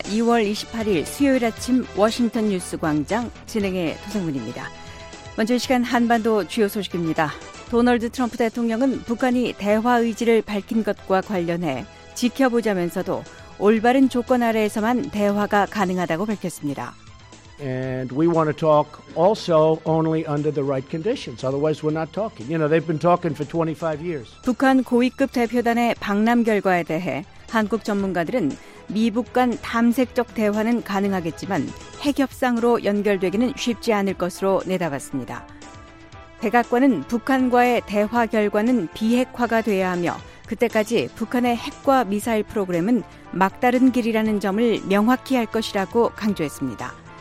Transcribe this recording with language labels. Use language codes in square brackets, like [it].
[ko] 2월 28일 수요일 아침 워싱턴 뉴스 광장 진행의 도성문입니다. 먼저 이 시간 한반도 주요 소식입니다. 도널드 트럼프 대통령은 북한이 대화 의지를 밝힌 것과 관련해 지켜보자면서도 올바른 조건 아래에서만 대화가 가능하다고 밝혔습니다. [en] And we want to talk also only under the right conditions. Otherwise, we're not talking. You know, they've been talking for 25 years. [ko] 북한 고위급 대표단의 방남 결과에 대해 한국 전문가들은 미북 간 탐색적 대화는 가능하겠지만 핵협상으로 연결되기는 쉽지 않을 것으로 내다봤습니다. 백악관은 북한과의 대화 결과는 비핵화가 돼야 하며 그때까지 북한의 핵과 미사일 프로그램은 막다른 길이라는 점을 명확히 할 것이라고 강조했습니다.